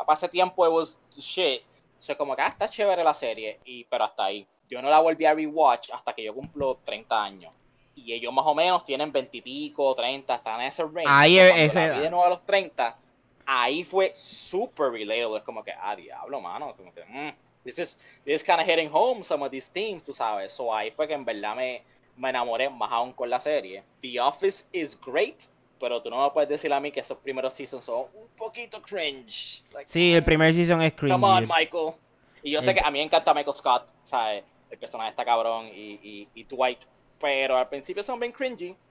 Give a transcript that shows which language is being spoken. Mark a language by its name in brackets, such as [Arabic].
[Spanish] Pasé tiempo, [English] it was shit. [Spanish] O sea, como que está chévere la serie, pero hasta ahí. Yo no la volví a rewatch hasta que yo cumplo 30 años. Y ellos más o menos tienen 20 y pico, 30, están en ese range. Ahí es de nuevo a los 30, ahí fue super relatable. Es como que, ah, diablo, mano. Como que, [English] this is kind of hitting home some of these themes, [Spanish] tú sabes. So ahí fue que en verdad me enamoré más aún con la serie. The Office [English] is great. [Spanish] Pero tú no me puedes decir a mí que esos primeros seasons son un poquito cringe. Like, sí, el primer season es cringe. [English] Come on, Michael. [Spanish] Y yo sé que a mí me encanta Michael Scott, ¿sabes? El personaje está cabrón y Dwight. Pero al principio son bien cringy.